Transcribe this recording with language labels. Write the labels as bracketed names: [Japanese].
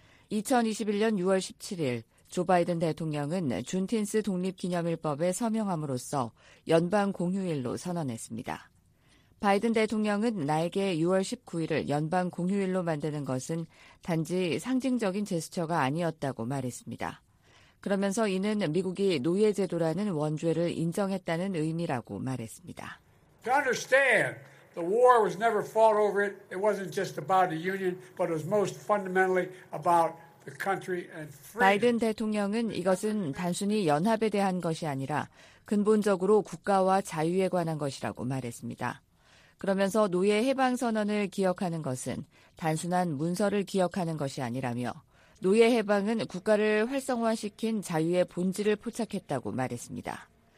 [Korean] 2021년 6월 17일 조 바이든 대통령은 준틴스 독립기념일법에 서명함으로써 연방 공휴일로 선언했습니다. 바이든 대통령은 나에게 6월 19일을 연방 공휴일로 만드는 것은 단지 상징적인 제스처가 아니었다고 말했습니다. 그러면서 이는 미국이 노예 제도라는 원죄를 인정했다는 의미라고 말했습니다. [English] To understand, the war was never fought over it. It wasn't just about the union, but it was most fundamentally about the country and freedom. [Korean] 바이든 대통령은 이것은 단순히 연합에 대한 것이 아니라 근본적으로 국가와 자유에 관한 것이라고 말했습니다. 그러면서 노예 해방 선언을 기억하는 것은 단순한 문서를 기억하는 것이 아니라며 노예 해방은 국가를 활성화시킨 자유의 본질을 포착했다고 말했습니다.